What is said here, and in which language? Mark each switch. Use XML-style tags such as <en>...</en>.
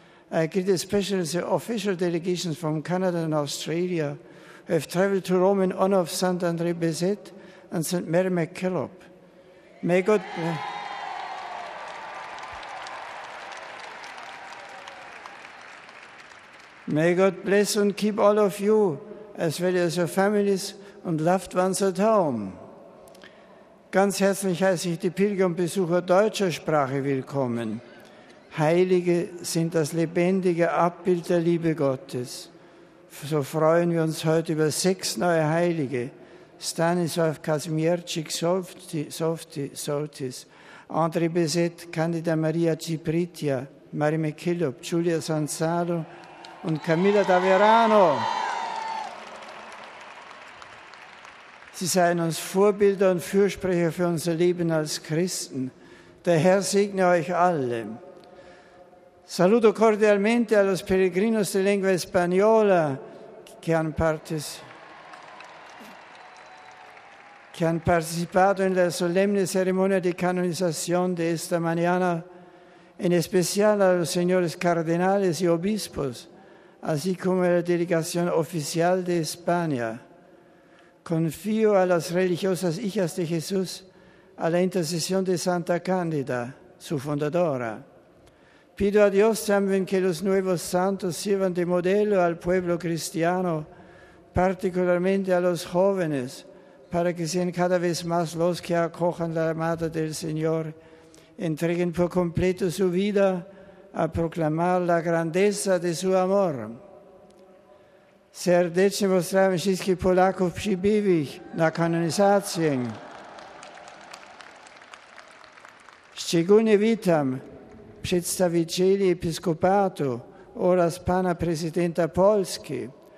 <en>I greet especially the official delegations from Canada and Australia who have traveled to Rome in honor of Saint André Bézette and Saint Mary MacKillop. May God bless. May God bless and keep all of you, as well as your families and loved ones at home.</en> <de>Ganz herzlich heiße ich die Pilger und Besucher deutscher Sprache willkommen. Heilige sind das lebendige Abbild der Liebe Gottes. So freuen wir uns heute über 6 neue Heilige. Stanislaw Kazimierczyk Soltis, André Bézette, Candida Maria Cipritia, Mary MacKillop, Giulia Sanzalo und Camilla Daverano. Sie seien uns Vorbilder und Fürsprecher für unser Leben als Christen. Der Herr segne euch alle.</de> <es>Saluto cordialmente a los peregrinos de lengua española che han participato nella solemne cerimonia di canonización de esta mañana, en especial a los señores cardenales y obispos, así como a la delegación oficial de España. Confío a las religiosas hijas de Jesús a la intercesión de Santa Cándida, su fundadora. Pido a Dios también que los nuevos santos sirvan de modelo al pueblo cristiano, particularmente a los jóvenes, para que sean cada vez más los que acojan la llamada del Señor, entreguen por completo su vida a proclamar la grandeza de su amor.</es> <pl>Serdecznie pozdrawiam wszystkich Polaków przybyłych na kanonizację. Szczególnie witam przedstawicieli episkopatu oraz pana prezydenta Polski.</pl>